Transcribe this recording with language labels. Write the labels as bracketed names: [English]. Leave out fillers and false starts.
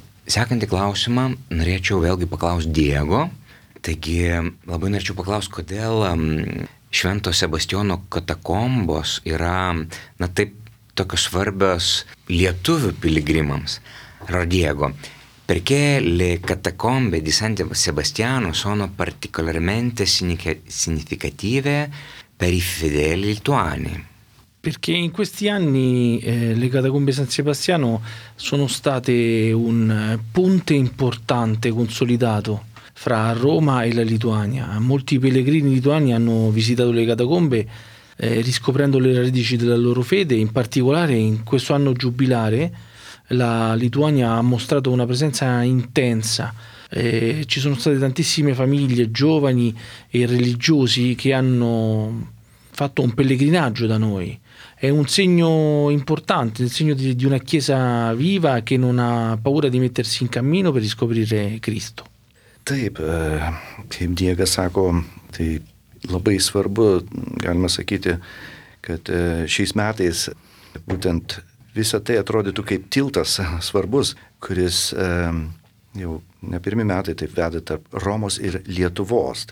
[Lithuanian] Sekantį klausimą norėčiau vėlgi paklausti Diego, taigi labai norėčiau paklausti, kodėl Švento Sebastiano katakombos yra, na, taip tokios svarbios lietuvių piligrimams, ar Diego. [Italian] Perché le catacombe di San Sebastiano sono particolarmente significative per i fedeli lituani? Perché in questi anni le catacombe di San Sebastiano sono state un ponte importante, consolidato, fra Roma e la Lituania. Molti pellegrini lituani hanno visitato le catacombe riscoprendo le radici della loro fede, in particolare in questo anno giubilare. La Lituania ha mostrato una presenza intensa, ci sono state tantissime famiglie, giovani e religiosi che hanno fatto un pellegrinaggio da noi. È un segno importante, il segno di una chiesa viva che non ha paura di mettersi in cammino per riscoprire Cristo. [Lithuanian] Taip, kaip Diego sako, tai labai svarbu, galima sakyti, kad šiais metais būtent visa tai atrodytų kaip tiltas svarbus, kuris jau ne pirmi metai taip veda tarp Romos ir Lietuvos.